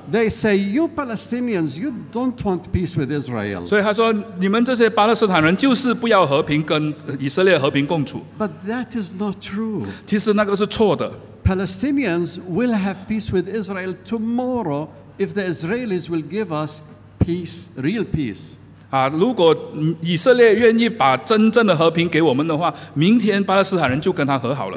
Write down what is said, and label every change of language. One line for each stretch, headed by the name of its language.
English: They say, "You Palestinians, you don't want peace with Israel."
Chinese: 所以他说，你们这些巴勒斯坦人就是不要和平，跟以色列和平共处。
English: But that is not true.
Chinese: 其实那个是错的。
English: Palestinians will have peace with Israel tomorrow if the Israelis will give us peace, real peace.
Chinese: 如果以色列愿意把真正的和平给我们的话，明天巴勒斯坦人就跟他和好了。